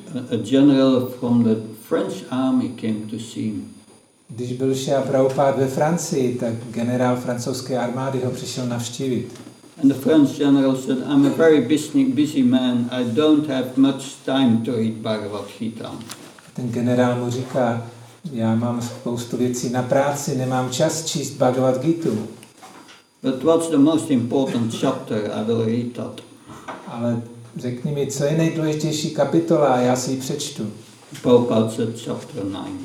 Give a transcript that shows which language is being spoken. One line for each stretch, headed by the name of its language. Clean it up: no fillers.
English: A general from the French army came to see him.
Czech: Když byl Srila Prabhupada ve Francii, tak generál francouzské armády ho přišel navštívit.
English: And the French general said, "I'm a very busy man. I don't have much time to read Bhagavad Gita."
Czech: Ten generál mu říká, "Já mám spoustu věcí na práci, nemám čas číst Bhagavad Gitu."
English: But what's the most important chapter? I will read that.
Czech: Ale řekni mi, co je nejdůležitější kapitola a já si ji přečtu.
English: Prabhupada said chapter 9.